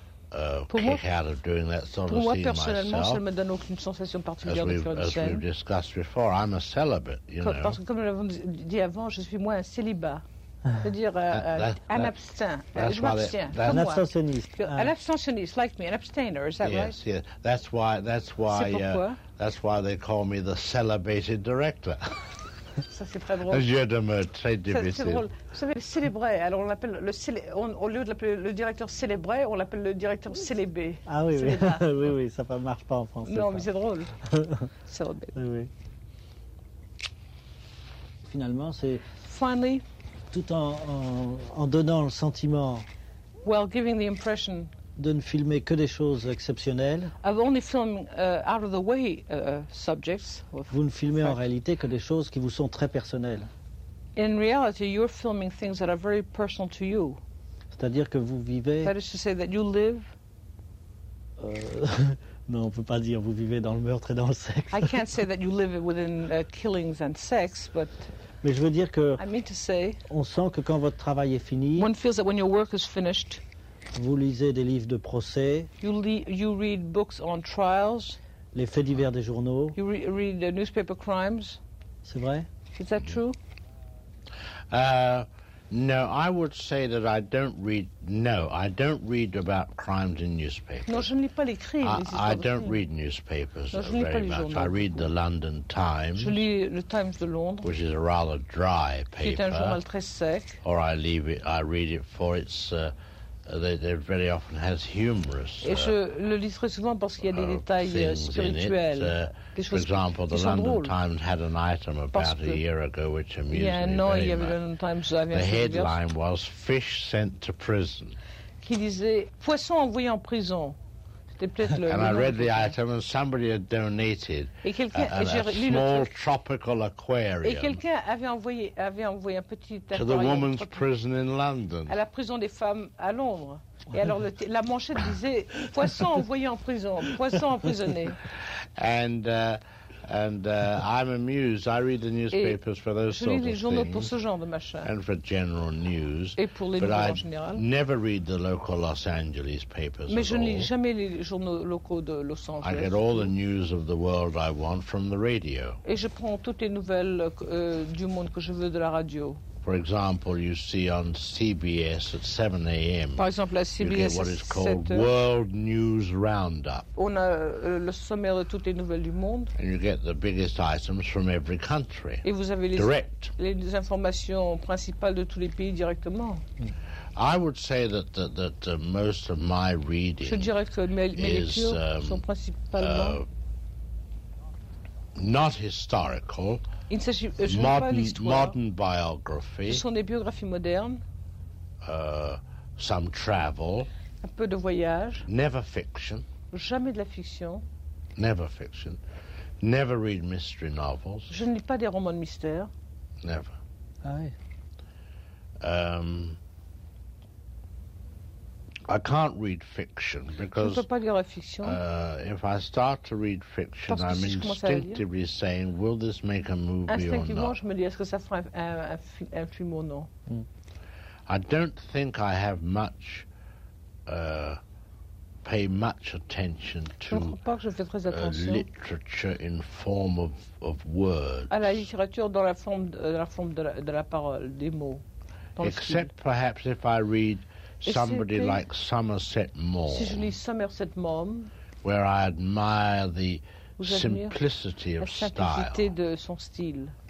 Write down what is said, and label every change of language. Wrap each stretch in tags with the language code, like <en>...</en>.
<fr>Pour moi, personnellement, ça ne me donne aucune sensation particulière de faire une scène.</fr> <en>As we've discussed before, I'm a celibate, you know.</en> <fr>Parce que comme nous l'avons dit avant, je suis moi un célibat. C'est-à-dire un abstain. Je m'abstiens. Un abstentionniste.</fr> <en>An abstentionniste, like me, an abstainer, is that yes, Yes, yes. That's why.</en> <fr>C'est pourquoi?</fr> <en>That's why they call me the celibated director.</en> <fr>Ça, c'est très drôle. C'est drôle. Vous savez, le célébré, alors on l'appelle au lieu de l'appeler le directeur célébré, on l'appelle le directeur célébé. Ah oui, oui. Oui, oui, ça ne marche pas en français. Non, ça. Mais c'est drôle. Célébé. Oui, oui. Finalement, c'est.</fr> <en>Finally.</en> <fr>Tout en donnant le sentiment.</fr> <en>Well, giving the impression.</en> <fr>De ne filmer que des choses exceptionnelles.</fr> <en>I've only filmed out of the way subjects.</en> <fr>Vous ne filmez en réalité que des choses qui vous sont très personnelles.</fr> <en>In reality, you're filming things that are very personal to you.</en> <fr>C'est-à-dire que vous vivez.</fr> <en>That is to say that you live.</en> <fr>Non, on peut pas dire vous vivez dans le meurtre et dans le sexe.</fr> <en>I can't say that you live within killings and sex, but.</en> <fr>Mais je veux dire que.</fr> <en>I mean to say.</en> <fr>On sent que quand votre travail est fini.</fr> <en>One feels that when your work is finished.</en> <fr>Vous lisez des livres de procès.</fr> <en>You read books on trials.</en> <fr>Les faits divers des journaux.</fr> <en>You read the newspaper crimes.</en> <fr>C'est vrai?</fr> <en>Is that true? No, I would say that I don't read. No, I don't read about crimes in newspapers.</en> <fr>Non, je ne lis pas les crimes.</fr> <en>I don't read newspapers</en> <fr>non,</fr> <en>very much. I read the London Times.</en> <fr>Je lis le Times de Londres.</fr> <en>Which is a rather dry paper.</en> <fr>C'est un journal très sec.</fr> <en>Or I read it for its. that very often has humorous.</en> <fr>Et je le lis très souvent parce qu'il y a des détails spirituels.</fr> <en>For example, the London Times had an item about a year ago which amused me</en> <fr>Il y avait le</fr> <en>London Times. The headline was "Fish sent to prison."</en> <fr>Qui disait "Poisson envoyé en prison."</fr> <en>And I read the item, and somebody had donated a small tropical aquarium.</en> <fr>Et quelqu'un avait envoyé un petit aquarium</fr> <en>to the woman's prison in London.</en> <fr>À la prison des femmes à Londres. Et alors la manchette disait "Poisson envoyé en prison, poisson emprisonné."</fr> <en>And I'm amused. I read the newspapers for those sort of things.</en> <fr>Je lis les journaux pour ce genre de machin.</fr> <en>And for general news.</en> <fr>Et pour les nouvelles en général.</fr> <en>But I never read the local Los Angeles papers.</en> <fr>Mais je ne lis jamais les journaux locaux de Los Angeles.</fr> <en>I get all the news of the world I want from the radio.</en> <fr>Et je prends toutes les nouvelles du monde que je veux de la radio.</fr> <en>For example, you see on CBS at 7 a.m.</en> <fr>Par exemple, la CBS,</fr> <en>you get what is called World News Roundup.</en> <fr>On a le sommaire de toutes les nouvelles du monde.</fr> <en>And you get the biggest items from every country.</en> <fr>Et vous avez direct. Les informations principales de tous les pays directement.</fr> <en>I would say that most of my reading</en> <fr>Je dirais que mes lectures sont principalement</fr> <en>not historical.</en> <fr>Il s'agit</fr> <en>modern biography.</en> <fr>Ce sont des biographies modernes.</fr> <en>Some travel.</en> <fr>Un peu de voyage.</fr> <en>Never fiction.</en> <fr>Jamais de la fiction.</fr> <en>Never fiction. Never read mystery novels.</en> <fr>Je ne lis pas des romans de mystère.</fr> <en>Never.</en> <fr>Ah oui.</fr> <en>I can't read fiction because</en> <fr>je peux pas lire la fiction.</fr> <en>If I start to read fiction, I'm instinctively saying, will this make a movie or not?</en> <fr>Instinctivement, je me dis, est-ce que ça fera un film ou non?</fr> <en>I don't think I have much, pay much attention to literature in form of words.</en> <fr>À la littérature dans la forme de la parole, des mots.</fr> <en>Except perhaps if I read somebody like Somerset Maugham.</en> <fr>Si je lis Somerset Maugham,</fr> <en>where I admire the simplicity of style.</en> <fr>De son style.</fr>